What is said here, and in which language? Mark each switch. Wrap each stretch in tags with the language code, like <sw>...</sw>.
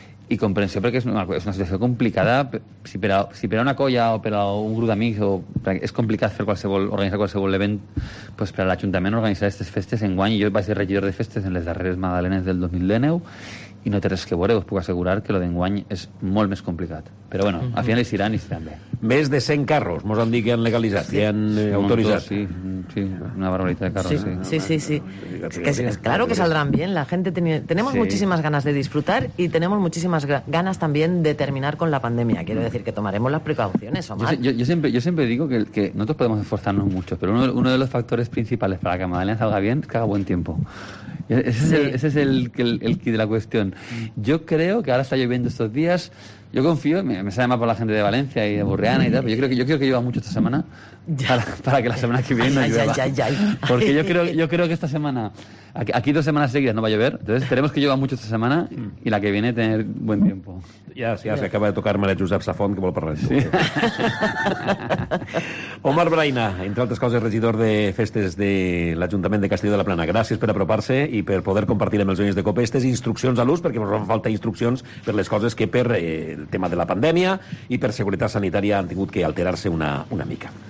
<ca>i comprensió, perquè és una situació complicada, si per a una colla o per a un grup d'amics, o és complicat organitzar qualsevol event, pues per a l'Ajuntament organitzar aquestes festes en guany. Jo vaig ser regidor de festes en les darreres Magdalenes del 2019 i no té res que veure, us puc assegurar que lo d'enguany és molt més complicat, però bueno, al final hi seran bé. Més de 100 carros mos han dit que han legalitzat, sí, que han autoritzat. Sí, una barbaritat de carros. Sí.</ca> <es>Claro que saldran bien, la gente tenemos muchísimas ganas de disfrutar y tenemos muchísimas ganas también de terminar con la pandemia, quiero decir que tomaremos las precauciones, Omar. Yo siempre digo que nosotros podemos esforzarnos mucho, pero uno de los factores principales para que Magdalena salga bien es que haga buen tiempo. Ese es el quid de la cuestión. Yo creo que ahora está lloviendo estos días. Yo confío, me sale más por la gente de Valencia y de Burriana y tal, pero yo creo que llueva mucho esta semana para que la semana que viene no llueva. Porque yo creo que esta semana, aquí dos semanas seguidas no va a llover, entonces esperemos que llueva mucho esta semana y la que viene tener buen tiempo. Ya, se acaba de tocar Maria Josep Safont,</es> <ca>que vol parlar.</ca> <es>Sí.</es> <ca>Omar Braina, entre altres coses, regidor de festes de l'Ajuntament de Castelló de la Plana. Gràcies per apropar-se i per poder compartir amb els joves de COPE aquestes instruccions a l'ús, perquè ens van faltar instruccions per les coses que per el tema de la pandèmia i per seguretat sanitària han tingut que alterar-se una mica.</ca>